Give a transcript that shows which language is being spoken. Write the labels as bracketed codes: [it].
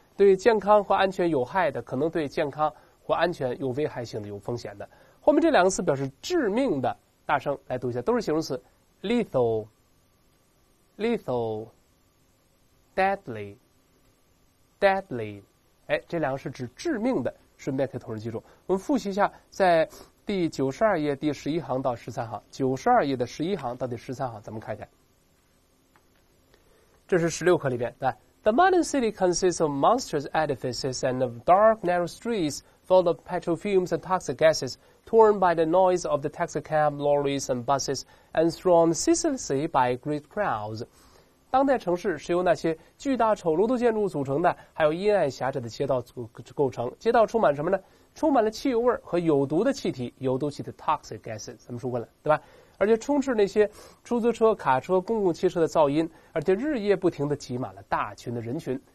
[zh] 对健康或安全有害的，可能对健康或安全有危害性的、有风险的，后面这两个词表示致命的，大声来读一下，都是形容词 [en] lethal deadly， [zh] 哎，这两个是指致命的，顺便可以同时记住。我们复习一下，在第92页第11行到13行，92页的11行到第13行，咱们看一下，这是16课里边，对吧？ [en] The modern city consists of monstrous edifices and of dark narrow streets full of petrol fumes and toxic gasesTorn by the noise of the taxicab, lorries and buses, and thrown ceaselessly by great crowds. [zh] 当代城市是由那些巨大丑陋的建筑组成的，还有阴暗狭窄的街道构成。街道充满什么呢？充满了汽油味和有毒的气体，有毒气体 [en] toxic gases， [zh] 咱们说过了，对吧？而且充斥那些出租车、卡车、公共汽车的噪音，而且日夜不停地挤满了大群的人群。